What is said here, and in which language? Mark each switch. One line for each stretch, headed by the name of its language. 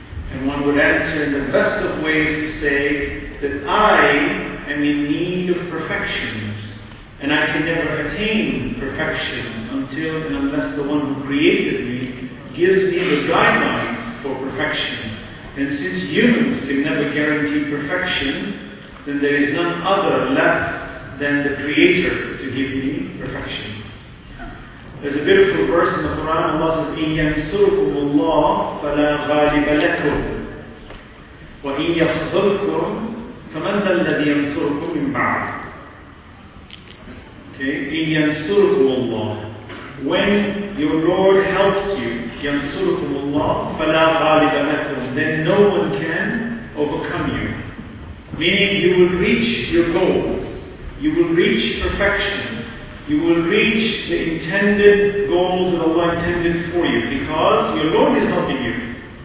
English: And one would answer in the best of ways to say that I am in need of perfection, and I can never attain perfection until and unless the one who created me gives me the guidelines for perfection. And since humans can never guarantee perfection, then there is none other left than the Creator to give me perfection. There's a beautiful verse in the Quran. Allah says,
Arabic: إِنْ يَنْصُرْكُمُ اللَّهُ فَلَا غَالِبَ لَكُمْ وَإِنْ يَخْذُلْكُمْ فَمَنْ ذَا الَّذِي يَنْصُرْكُمْ مِنْ بَعْدِ.
English: Okay,
Arabic: إِنْ يَنْصُرْكُمُ اللَّهُ.
English: When your Lord helps you,
Arabic: يَنْصُرُكُمُ اللَّهُ فَلَا غَالِبَ لَكُمْ,
English: then no one can overcome you. Meaning you will reach your goals, you will reach perfection, you will reach the intended goals that Allah intended for you, because your Lord is helping you.